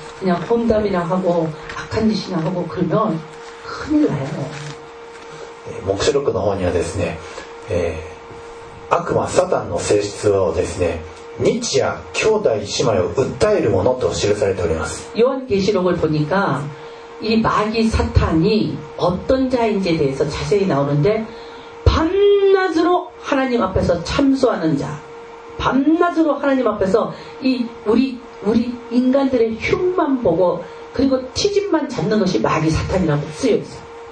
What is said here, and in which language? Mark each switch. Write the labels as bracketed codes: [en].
[ko] 그냥 험담이나 하고 악한 짓이나 하고 그러면 큰일 나요. [ja] 目録の方にはですね、悪魔サタンの性質をですね、日夜兄弟姉妹を訴えるものと記されております。 [ko] 요한계시록을 보니까 이 마귀 사탄이 어떤 자인지에 대해서 자세히 나오는데 밤낮으로 하나님 앞에서 참소하는 자, 밤낮으로 하나님 앞에서 이 우리 인간들의 흉만 보고 그리고 티짐만 잡는 것이 마귀 사탄이라고 쓰여 있어요.